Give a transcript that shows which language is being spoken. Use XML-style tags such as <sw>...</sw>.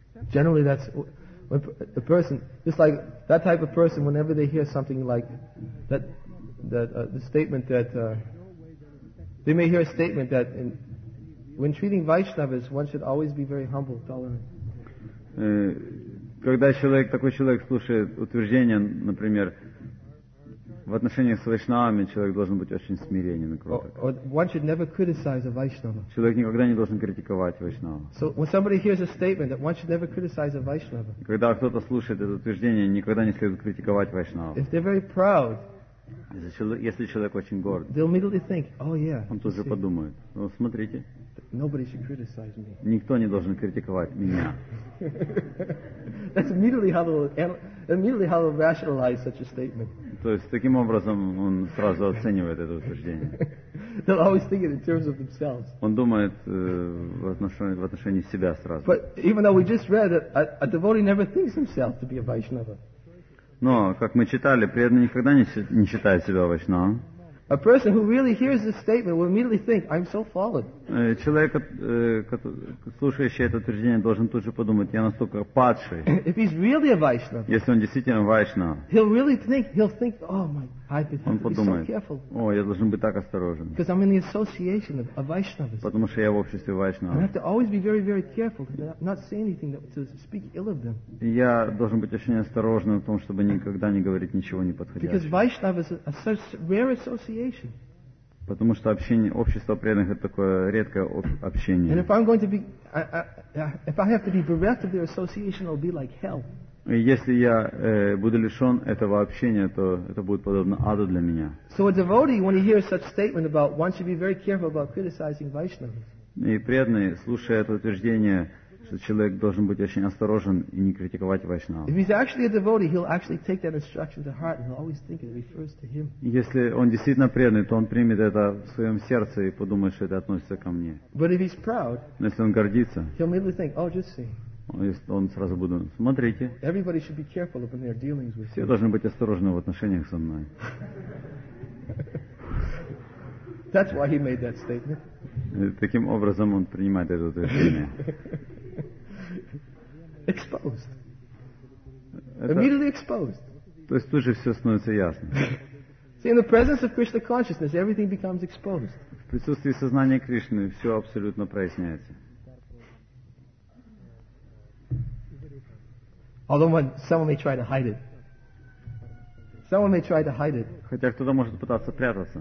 <en>Generally, that's when a person, just like that type of person, whenever they hear something like the statement that they may hear a statement that in, when treating Vaishnavas, one should always be very humble, tolerant.</en> <ru>Когда человек, такой человек слушает утверждение, например, в отношениях с вайшнавами человек должен быть очень смиренен и кроток. Человек никогда не должен критиковать вайшнава.</ru> <en>So when somebody hears a statement that one should never criticize a Vaishnava.</en> <ru>Когда кто-то слушает это утверждение, никогда не следует критиковать вайшнава.</ru> <en>If they're very proud,</en> <ru>если человек очень горд,</ru> <en>they'll immediately think, oh, yeah,</en> <ru>он тоже подумает, ну, смотрите,</ru> <en>nobody should criticize me.</en> <ru>Никто не должен критиковать меня.</ru> <en>That's immediately how they'll rationalize such a statement.</en> <ru>То есть таким образом он сразу оценивает это утверждение.</ru> <en>They'll always think it in terms of themselves.</en> <ru>Он думает в отношении себя сразу.</ru> <en>But even though we just read that a devotee never thinks himself to be a Vaishnava.</en> <ru>Но как мы читали, преданный никогда не считает себя Вайшнавом.</ru> <en>A person who really hears this statement will immediately think, I'm so fallen.</en> <ru>Человек, слушающий это утверждение, должен тут же подумать, я настолько падший.</ru> <en>If he's really a Vaishnava,</en> <ru>если он действительно Вайшнава,</ru> <en>he'll think, oh my, I've been so careful.</en> <ru>Он подумает, о, я должен быть так осторожен.</ru> <en>Because I'm in the association of Vaishnavas.</en> <ru>Потому что я в обществе Вайшнава.</ru> <en>I have to always be very, very careful to not say anything to speak ill of them.</en> <ru>Я должен быть очень осторожным в том, чтобы никогда не говорить ничего неподходящего.</ru> <en>Because Vaishnavas are such rare association.</en> <ru>Потому что общение, общество преданных это такое редкое общение.</ru> <en>And if I'm going to be, if I have to be bereft of their association, it'll be like hell.</en> <ru>Если я буду лишен этого общения, то это будет подобно аду для меня.</ru> <en>So a devotee, when he hears such statement about one should be very careful about criticizing Vaishnavas.</en> <ru>И преданный, слушая это утверждение, что человек должен быть очень осторожен и не критиковать Вайшнава.</ru> <en>If he's actually a devotee, he'll actually take that instruction to heart and he'll always think it refers to him.</en> <ru>Если он действительно преданный, то он примет это в своем сердце и подумает, что это относится ко мне.</ru> <en>But if he's proud,</en> <ru>но если он гордится,</ru> <en>he'll immediately think, oh, just see.</en> <ru>Он сразу будет, смотрите.</ru> <en>Everybody should be careful when they're dealing with.</en> <ru>Все должны быть осторожны в отношениях со мной.</ru> <en>That's why he made that statement.</en> <ru>Таким образом он принимает это утверждение.</ru> <en>Exposed. Immediately exposed.</en> <ru>То есть тут же все становится ясно.</ru> <en>See, in the presence of Krishna consciousness, everything becomes exposed.</en> <ru>В присутствии сознания Кришны все абсолютно проясняется.</ru> <en>Although someone may try to hide it. Someone may try to hide it.</en> <ru>Хотя кто-то может пытаться прятаться.</ru>